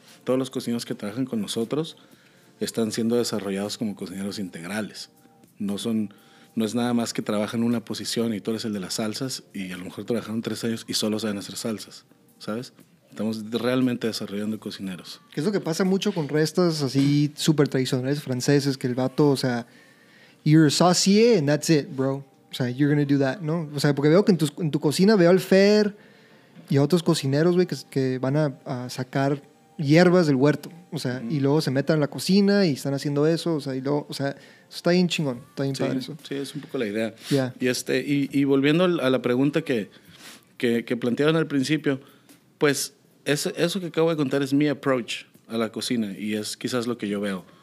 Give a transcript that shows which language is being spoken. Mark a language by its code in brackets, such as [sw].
[es] Todos los cocineros que trabajan con nosotros están siendo desarrollados como cocineros integrales. No es nada más que trabajan en una posición y tú eres el de las salsas y a lo mejor trabajaron 3 años y solo saben hacer salsas, ¿sabes? Estamos realmente desarrollando cocineros. ¿Qué es lo que pasa mucho con restos así súper tradicionales franceses? Que el vato, o sea, [en] you're a saucier and that's it, bro. [es] O sea, [en] you're gonna do that, ¿no? [es] O sea, porque veo que en tu cocina veo al Fer y a otros cocineros, güey, que van a sacar hierbas del huerto. O sea, y luego se meten en la cocina y están haciendo eso. O sea, y luego, o sea, está bien chingón. Está bien sí, padre eso. Sí, es un poco la idea. [en] Yeah. [es] Y volviendo a la pregunta que plantearon al principio, pues eso que acabo de contar es mi approach a la cocina y es quizás lo que yo veo.